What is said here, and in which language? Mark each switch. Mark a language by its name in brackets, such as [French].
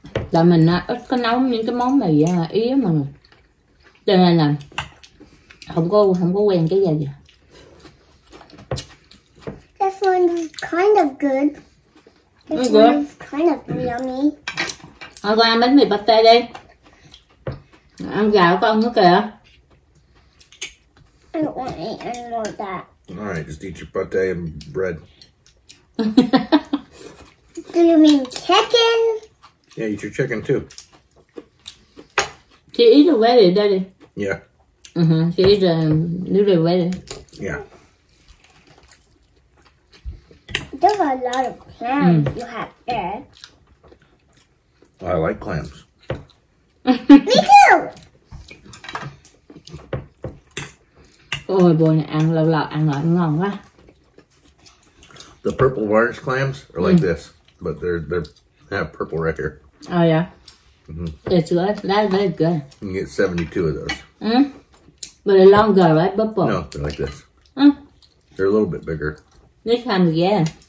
[Vietnamese] Là mình ít có nấu những cái món này ý mà. Cho nên là không có quen cái gì. [English] This one is kind of good. This one is kind of yummy. [Vietnamese] Thôi con ăn bánh mì pate đi. Ăn gà của con nữa kìa. [English] I don't want to eat any more of that. Alright, just eat your pate and bread. Do you mean chicken? Yeah, eat your chicken too. She eats it with it, doesn't she? Yeah. Mm-hmm. She eats a little bit with it. Yeah. There's a lot of clams you have there. I like clams. Me too. [Vietnamese] Ôi bồi này ăn lâu lâu ăn lại ngon quá. [English] The purple varnish clams are like this, but they have purple right here. Oh yeah. It's good. That's very good. You can get 72 of those. But they're longer, right, purple? No, they're like this. They're a little bit bigger. This time, yeah.